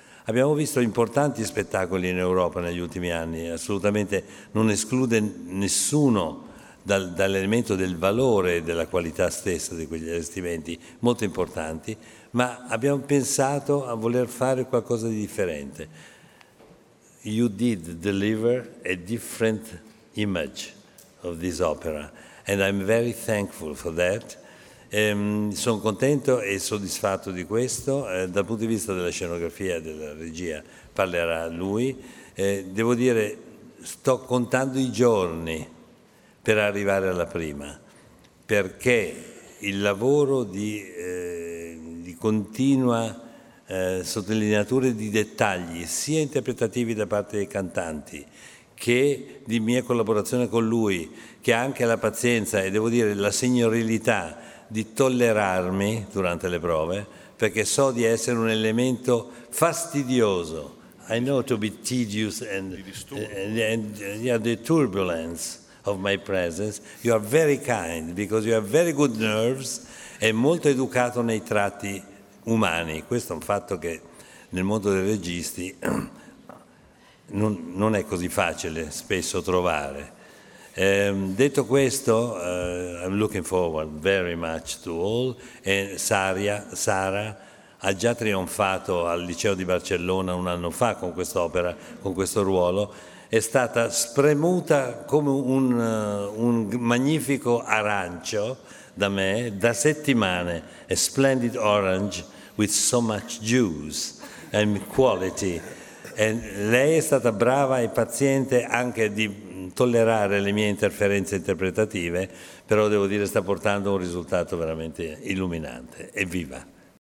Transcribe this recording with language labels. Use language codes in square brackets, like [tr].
[it] Abbiamo visto importanti spettacoli in Europa negli ultimi anni, assolutamente non esclude nessuno dall'elemento del valore e della qualità stessa di quegli allestimenti, molto importanti, ma abbiamo pensato a voler fare qualcosa di differente. [en] You did deliver a different image of this opera. and I'm very thankful for that. [it] Sono contento e soddisfatto di questo. Dal punto di vista della scenografia, della regia, parlerà lui. Devo dire, sto contando i giorni per arrivare alla prima, perché il lavoro di continua sottolineatura di dettagli, sia interpretativi da parte dei cantanti, che di mia collaborazione con lui, che ha anche la pazienza e devo dire la signorilità di tollerarmi durante le prove, perché so di essere un elemento fastidioso. [en] I know to be tedious and the turbulence of my presence. You are very kind because you have very good nerves [it] e molto educato nei tratti umani. Questo è un fatto che nel mondo dei registi non è così facile spesso trovare. Detto questo, [en] I'm looking forward very much to all. [it] E Sara ha già trionfato al Liceo di Barcellona un anno fa con quest'opera, con questo ruolo. È stata spremuta come un magnifico arancio da me da settimane. [en] A splendid orange with so much juice and quality. [it] E lei è stata brava e paziente anche di tollerare le mie interferenze interpretative, però devo dire sta portando un risultato veramente illuminante. Evviva!